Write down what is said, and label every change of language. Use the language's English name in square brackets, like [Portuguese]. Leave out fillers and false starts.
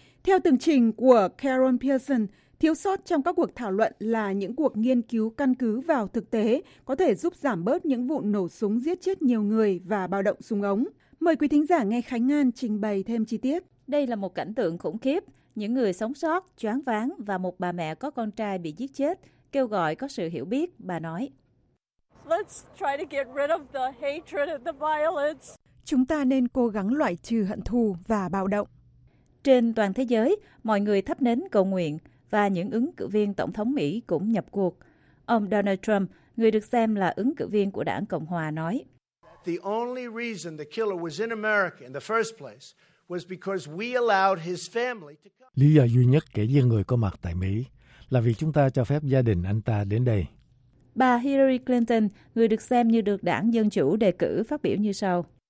[Vietnamese] Theo tường trình của Karen Pearson, thiếu sót trong các cuộc thảo luận là những cuộc nghiên cứu căn cứ vào thực tế có thể giúp giảm bớt những vụ nổ súng giết chết nhiều người và bạo động súng ống. Mời quý thính giả nghe Khánh Ngan trình bày thêm chi tiết. Đây là một cảnh tượng khủng khiếp. Những người sống sót, choáng váng và một bà mẹ có con trai bị giết chết kêu gọi có sự hiểu biết, bà nói. [English] Let's try to get rid of the hatred and the violence. [Vietnamese] Chúng ta nên cố gắng loại trừ hận thù và bạo động. Trên toàn thế giới, mọi người thắp nến cầu nguyện và những ứng cử viên tổng thống Mỹ cũng nhập cuộc. Ông Donald Trump, người được xem là ứng cử viên của Đảng Cộng hòa, nói: [English] The only reason the killer was in America in the first place was because we allowed his family to come. [Vietnamese] Lý do duy nhất kẻ giết người có mặt tại Mỹ là vì chúng ta cho phép gia đình anh ta đến đây. Bà Hillary Clinton, người được xem như được Đảng Dân Chủ đề cử, phát biểu như sau.